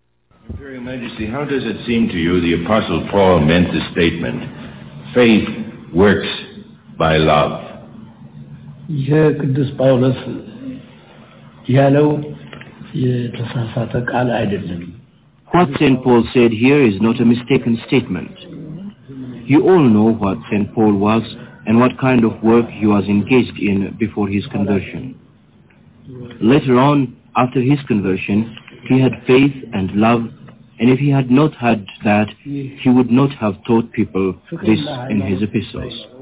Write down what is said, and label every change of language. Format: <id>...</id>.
<en>How does it seem to you the Apostle Paul meant the statement, faith works by love?</en> <am>የቅዱስ ጳውሎስ ያለው የተሳሳተ ቃል አይደለም።</am> <en>What St. Paul said here is not a mistaken statement. You all know what St. Paul was and what kind of work he was engaged in before his conversion. Later on, after his conversion, he had faith and love. And if he had not had that, he would not have taught people this in his epistles.</en>